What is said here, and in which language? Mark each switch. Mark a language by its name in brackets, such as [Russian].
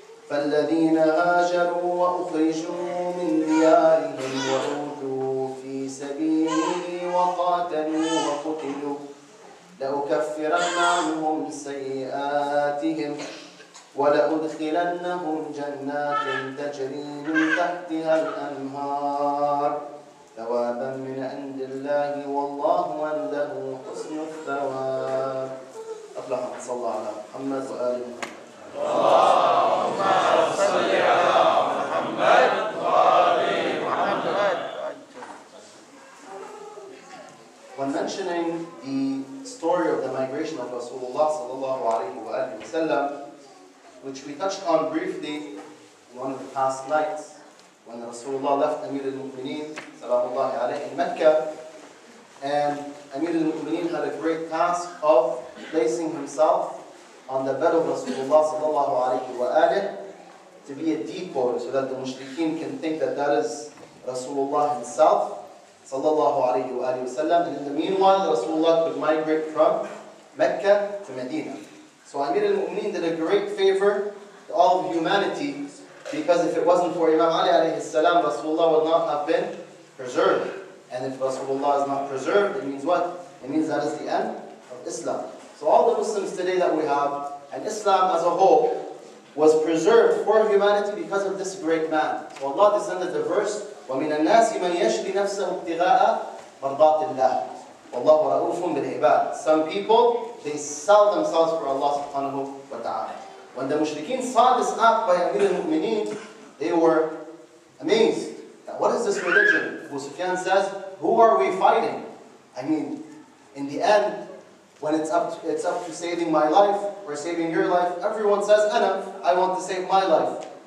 [Arabic] فالذين هاجروا وأخرجوا من ديارهم وأوذوا في سبيلي وقاتلوا وقتلوا لأكفرن عنهم سيئاتهم ولأدخلنهم جنات تجري من تحتها الأنهار ثوابا من عند الله والله عنده حسن الثواب. أطلعها صلى على محمد وآل محمد. اللهم صل على محمد وآل محمد. [English] When mentioning the story of the migration of Rasulullah [Arabic] صلى الله عليه وسلم, [English] which we touched on briefly in one of the past nights, when Rasulullah left Amir al-Mu'mineen salamullahi alayhi in Mecca, and Amir al-Mu'mineen had a great task of placing himself on the bed of Rasulullah sallallahu alayhi wa alayhi to be a decoy so that the mushrikeen can think that that is Rasulullah himself sallallahu alayhi wa alayhi wa sallam. And in the meanwhile, Rasulullah could migrate from Mecca to Medina. So Amir al-Mu'mineen did a great favor to all of humanity, because if it wasn't for Imam Ali alayhi salam, Rasulullah would not have been preserved. And if Rasulullah is not preserved, it means what? It means that is the end of Islam. So all the Muslims today that we have, and Islam as a whole, was preserved for humanity because of this great man. So Allah descended the verse, [Arabic] وَمِنَ النَّاسِ مَنْ يَشْرِي نَفْسَهُ ابْتِغَاءَ مَرْضَاتِ اللَّهِ وَاللَّهُ رَؤُوفٌ بِالْعِبَادِ. [English] Some people, they sell themselves for Allah subhanahu wa ta'ala. When the mushrikeen saw this act by Amir al-Mu'mineen, they were amazed. Now, what is this religion? Abu Sufyan says, who are we fighting? I mean, in the end, when it's up to saving my life or saving your life, everyone says, Ana, I want to save my life.